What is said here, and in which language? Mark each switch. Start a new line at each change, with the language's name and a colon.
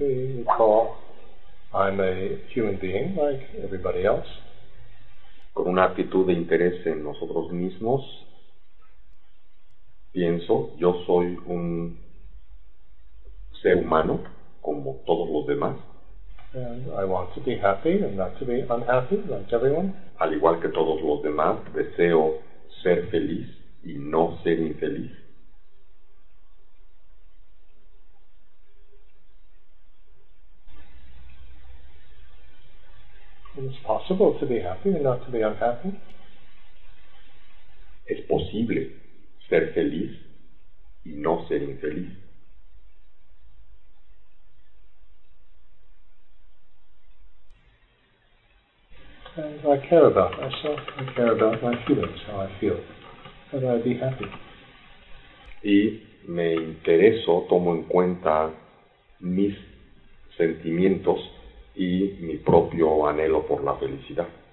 English: We recall I'm a human being like everybody else.
Spanish: Con una actitud de interés en nosotros mismos, pienso, yo soy un ser humano como todos los demás.
English: And I want to be happy and not to be unhappy like everyone.
Spanish: Al igual que todos los demás, deseo ser feliz y no ser infeliz.
English: It's possible to be happy and not to be unhappy.
Spanish: Es posible ser feliz y no ser infeliz.
English: And I care about myself, I care about my feelings, how I feel. Can I be happy?
Spanish: Y me intereso, tomo en cuenta mis sentimientos y mi propio anhelo por la felicidad.